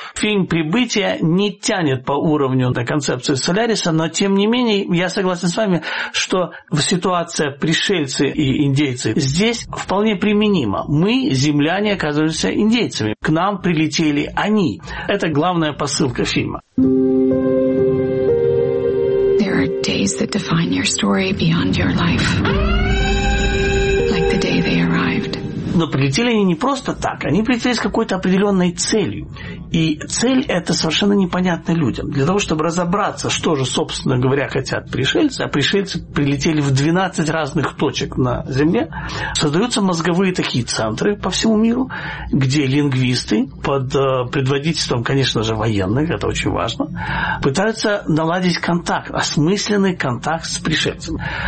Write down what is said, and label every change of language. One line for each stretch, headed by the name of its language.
Russian: Фильм «Прибытие» не тянет по уровню на концепцию «Соляриса», но, тем не менее, я согласен с вами, что ситуация пришельцы и индейцы здесь вполне применима. Мы, земляне, оказываемся индейцами. К нам прилетели они. Это главное посылка фильма.
English: There are days that define your story beyond your life. Like the day they arrived.
Russian: Но прилетели они не просто так, они прилетели с какой-то определенной целью. И цель эта совершенно непонятна людям. Для того, чтобы разобраться, что же, собственно говоря, хотят пришельцы, а пришельцы прилетели в 12 разных точек на Земле, создаются мозговые такие центры по всему миру, где лингвисты под предводительством, конечно же, военных, это очень важно, пытаются наладить контакт, осмысленный контакт с пришельцами.